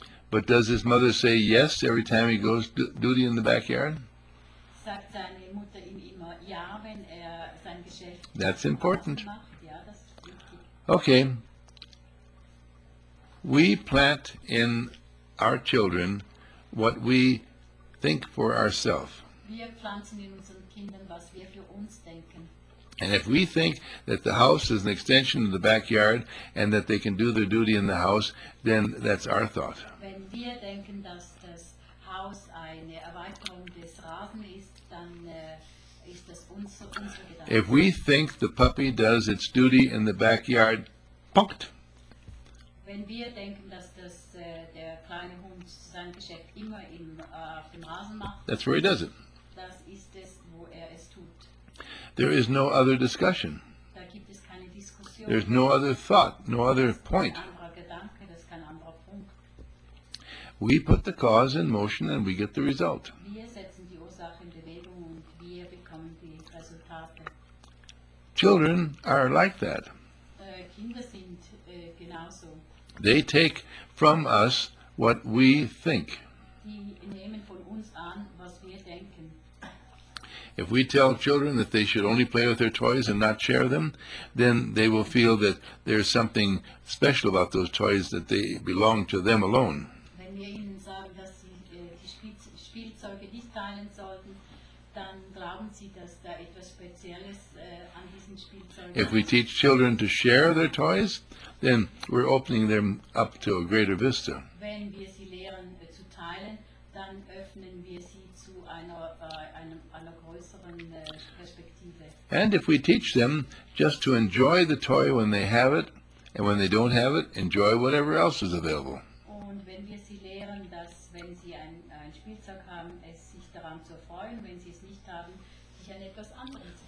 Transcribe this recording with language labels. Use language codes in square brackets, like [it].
[en] But does his mother say yes every time he goes duty in the backyard? [de] sagt seine Mutter ihm immer ja, wenn er sein Geschäft macht. [en] That's important. [de] Ja, das ist wichtig. [en] Okay. We plant in our children what we think for ourselves. [de] Wir pflanzen in unseren Kindern, was wir für uns denken. [en] And if we think that the house is an extension of the backyard and that they can do their duty in the house, then that's our thought. [de] Wenn wir denken, dass das Haus eine Erweiterung des Rasen ist, dann ist das unsere Gedanke. [en] If we think the puppy does its duty in the backyard, [de] punkt. Wenn wir denken, dass das, der kleine Hund sein Geschäft immer im, auf dem Rasen macht, [en] that's where he does it. [de] Das ist es, wo er es tut. [en] There is no other discussion. [de] Da gibt es keine Diskussion. [en] There's no other thought, no other point. [de] Das ist kein anderer Gedanke, das ist kein anderer Punkt. [en] We put the cause in motion and we get the result. [de] Wir setzen die Ursache in Bewegung und wir bekommen die Resultate. [en] Children are like that. [de] Kinder sind genauso. [en] They take from us what we think. [de] Die nehmen von uns an, was wir denken. [en] If we tell children that they should only play with their toys and not share them, then they will feel that there's something special about those toys, that they belong to them alone. [de] Wenn wir ihnen sagen, dass sie die Spielzeuge nicht teilen sollten, dann glauben sie, dass da etwas Spezielles an diesen Spielzeugen ist. [en] If we teach children to share their toys, then we're opening them up to a greater vista. [de] Wenn wir sie lehren zu teilen, dann öffnen wir sie zu einer größeren Perspektive. [en] And if we teach them just to enjoy the toy when they have it, and when they don't have it, enjoy whatever else is available. [de] Und wenn wir sie lehren, dass wenn sie ein Spielzeug haben, es sich daran zu freuen, wenn sie es nicht haben, sich an etwas anderes zu freuen.